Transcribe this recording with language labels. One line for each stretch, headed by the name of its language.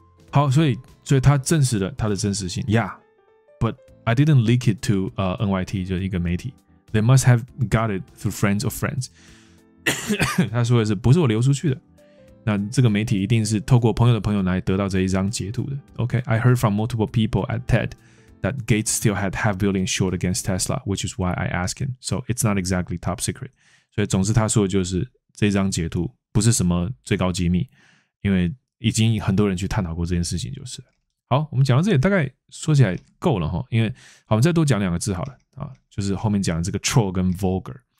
Chinese: 好，所以他证实了他的真实性
English: ，Yeah，but I didn't leak it to NYT，
Chinese: 就是一个媒体
English: ，They must have got it through friends of friends 。
Chinese: 他说的是，不是我流出去的。那这个媒体一定是透过朋友的朋友来得到这一张截图的。
English: OK, I heard from multiple people at TED that Gates still had half billion short against Tesla, which is why I asked him. So it's not exactly top secret.
Chinese: 所以总之他说的就是这张截图不是什么最高机密，因为已经很多人去探讨过这件事情就是。好，我们讲到这里大概说起来够了齁，因为好，我们再多讲两个字好了、就是后面讲的这个 troll 跟 vulgar。